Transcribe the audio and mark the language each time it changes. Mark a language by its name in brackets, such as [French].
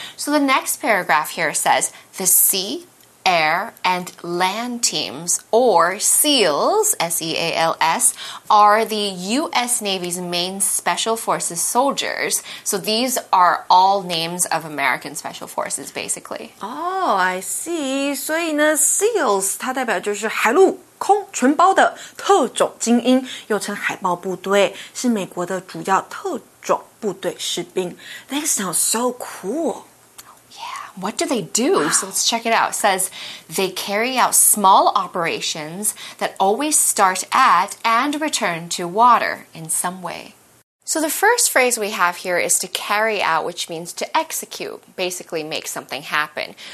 [English] So the next paragraph here says, the sea... Air and land teams, or SEALs, S-E-A-L-S, are the U.S. Navy's main special forces soldiers. So these are all names of American special forces, basically. Oh, I see. [Chinese] 所以呢 SEALs, 它代表就是海陆空全包的特种精英，又称海豹部队，是美国的主要特种部队士兵。 [English] That sounds so cool. What do they do? So let's check it out. It says, they carry out small operations that always start at and return to water in some way. So the first phrase we have here is to carry out, which means to execute, basically make something happen.